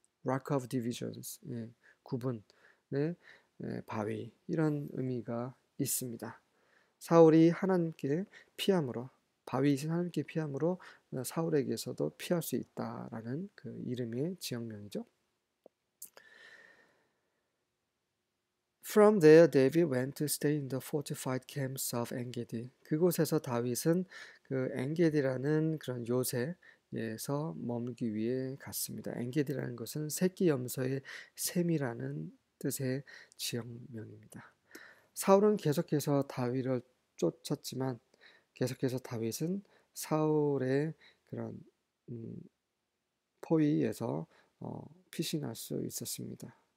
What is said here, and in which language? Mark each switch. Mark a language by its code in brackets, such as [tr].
[en] Rock of Divisions, 구분. [ko] 바위 이런 의미가 있습니다. 사울이 하나님께 피함으로 바위이신 하나님께 피함으로 사울에게서도 피할 수 있다라는 그 이름의 지역명이죠. [en] From there, David went to stay in the fortified camps of En-gedi. [ko] 그곳에서 다윗은 그 En-gedi라는 그런 요새에서 머물기 위해 갔습니다. En-gedi라는 것은 새끼 염소의 샘이라는 뜻의 지역명입니다. 사울은 계속해서 다윗을 쫓았지만 계속해서 다윗은 사울의 그런 포위에서 피신할 수 있었습니다.